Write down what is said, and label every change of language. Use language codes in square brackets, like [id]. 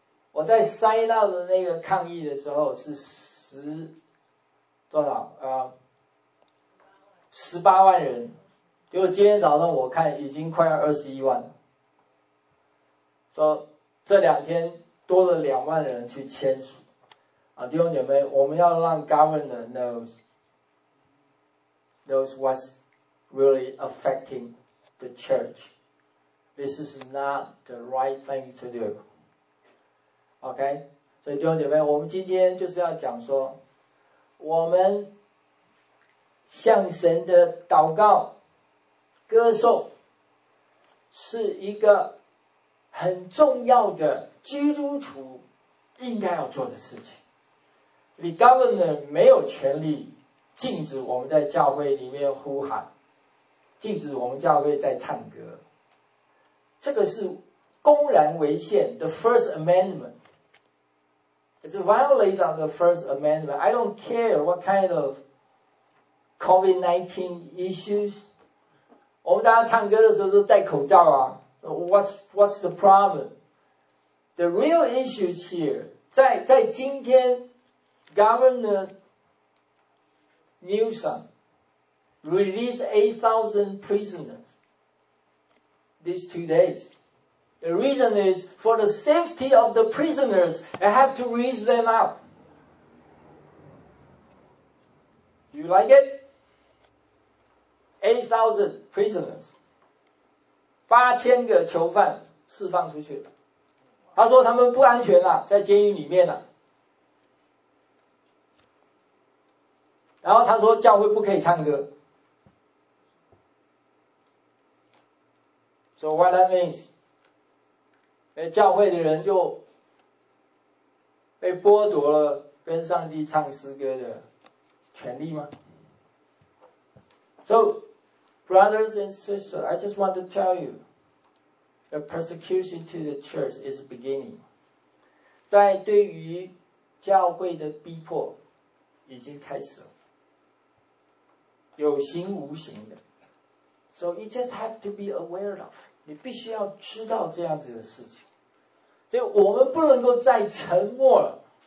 [zh] 我在塞纳的那个抗议的时候是十多少十八万人，结果今天早上我看已经快要21万了，说这两天多了2万人去签署啊。弟兄姐妹，我们要让 [en] governor knows what's really affecting the church. This is not the right thing to do. [zh] OK, 所以弟兄姐妹，我们今天就是要讲说我们向神的祷告歌颂是一个很重要的基督徒应该要做的事情。 The governor 没有权利禁止我们在教会里面呼喊，禁止我们教会在唱歌，这个是公然违宪 The First Amendment. [en] It's violated on the First Amendment. I don't care what kind ofCOVID-19 issues. [zh] 我们大家唱歌的时候都戴口罩啊。 [en] What's the problem? The real issues here, [zh] 在今天 [en] Governor Newsom released 8,000 prisoners these 2 days. The reason is for the safety of the prisoners, I have to release them out. You like it? 8,000 prisoners, [zh] 8,000个囚犯释放出去了。他说他们不安全了、啊，在监狱里面了、啊。然后他说教会不可以唱歌。 [en] So what that means? [zh] 教会的人就被剥夺了跟上帝唱诗歌的权利吗 ？So. [en] Brothers and sisters, I just want to tell you, the persecution to the church is beginning. [zh] 在对于教会的逼迫已经开始了，有形无形的。 [en] So you just have to be aware of. [zh] 你必须要知道这样子的事情。所以我们不能够再沉默了。